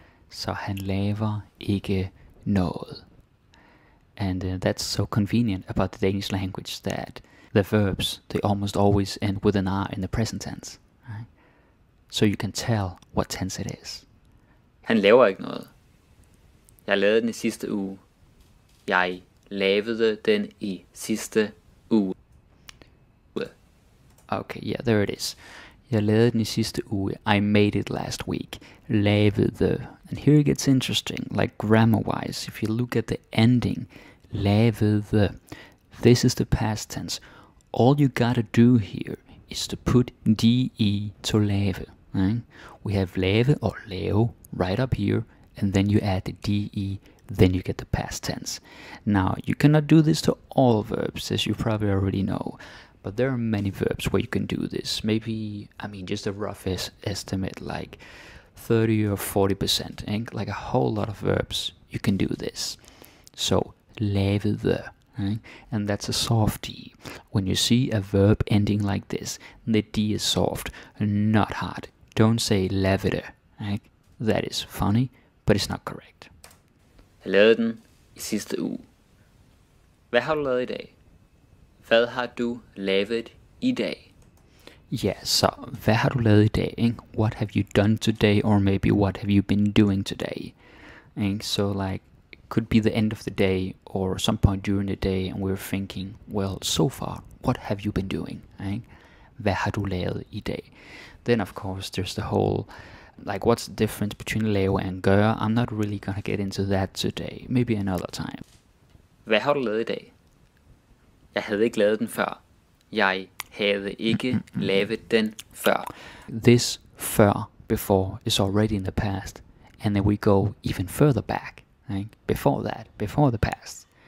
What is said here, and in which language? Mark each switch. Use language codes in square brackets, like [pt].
[en] So [da] han laver ikke noget. [en] And that's so convenient about the Danish language that the verbs, they almost always end with an R in the present tense. Right? So you can tell what tense it is. [da] Han laver ikke noget. Jeg lavede den i sidste uge. Jeg lavede den i sidste uge. [en] Okay, yeah, there it is. [da] Jeg lavede den I sidste uge. [en] I made it last week. Lavede. And here it gets interesting, like grammar-wise. If you look at the ending, lavede. This is the past tense. All you gotta do here is to put de to lave. Right? We have lave or lave right up here, and then you add the de. Then you get the past tense. Now, you cannot do this to all verbs, as you probably already know. But there are many verbs where you can do this. Maybe, I mean, just a rough estimate, like 30 or 40%. Eh? Like a whole lot of verbs, you can do this. So, lavede. Eh? And that's a soft D. When you see a verb ending like this, the D is soft, not hard. Don't say lavede. Eh? That is funny, but it's not correct. [da] Jeg lavede den I sidste uge. Hvad har du lavet I dag? Hvad har du lavet I dag? Yeah, so, hvad har du lavet I dag? [en] Eh? What have you done today? Or maybe, what have you been doing today? Eh? So, like, it could be the end of the day or some point during the day and we're thinking, well, so far, what have you been doing? Eh? [da] Hvad har du lavet I dag? [en] Then, of course, there's the whole, like, what's the difference between lave and gøre? I'm not really gonna get into that today. Maybe another time. [da] Hvad har du lavet I dag? Jeg havde ikke lavet den før. Jeg havde ikke lavet den før. [en] This før, before, is already in the past. And then we go even further back. Right? Before that, before the past.